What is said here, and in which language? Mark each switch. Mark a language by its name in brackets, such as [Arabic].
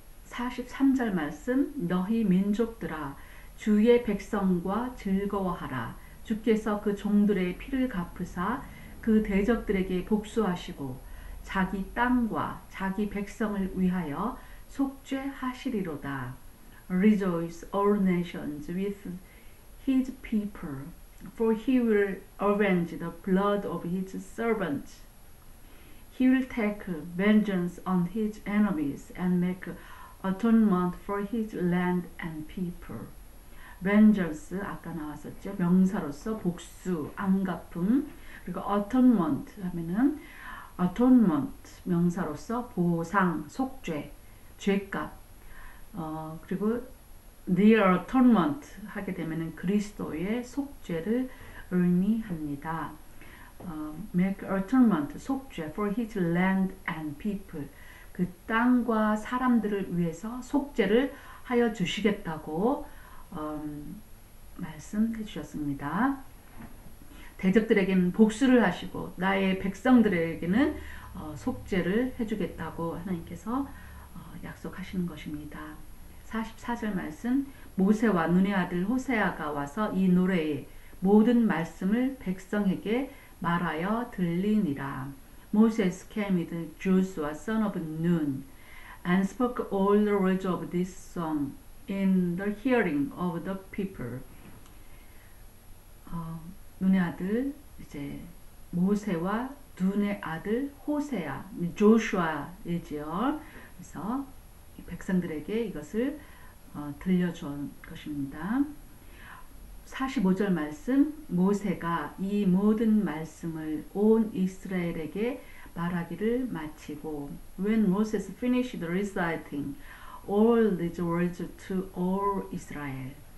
[Korean] 43절 말씀, 너희 민족들아 주의 백성과 즐거워하라. 주께서 그 종들의 피를 갚으사 그 대적들에게 복수하시고 자기 땅과 자기 백성을 위하여 속죄하시리로다. [English] Rejoice all nations with his people, for he will avenge the blood of his servants. He will take vengeance on his enemies and make atonement for his land and people. [Korean] Vengeance, 아까 나왔었죠. 명사로서 복수, 안갚음. 그리고 atonement 하면은 atonement, 명사로서 보상, 속죄, 죄값. 그리고 near atonement 하게 되면은 그리스도의 속죄를 의미합니다. [English] Make atonement, 속죄, for his land and people. [Korean] 그 땅과 사람들을 위해서 속죄를 하여 주시겠다고 말씀해 주셨습니다. 대적들에게는 복수를 하시고 나의 백성들에게는 속죄를 해주겠다고 하나님께서 약속하시는 것입니다. 44절 말씀, 모세와 눈의 아들 호세아가 와서 이 노래의 모든 말씀을 백성에게 말하여 들리니라. [English] Moses came with Joshua, son of Nun, and spoke all the words of this song in the hearing of the people. [Korean] 눈의 아들 이제 모세와 눈의 아들 호세아, 조슈아이지요. 그래서 이 백성들에게 이것을 들려준 것입니다. 45절 말씀, 모세가 이 모든 말씀을 온 이스라엘에게 말하기를 마치고, [English] When Moses finished reciting all these words to all Israel.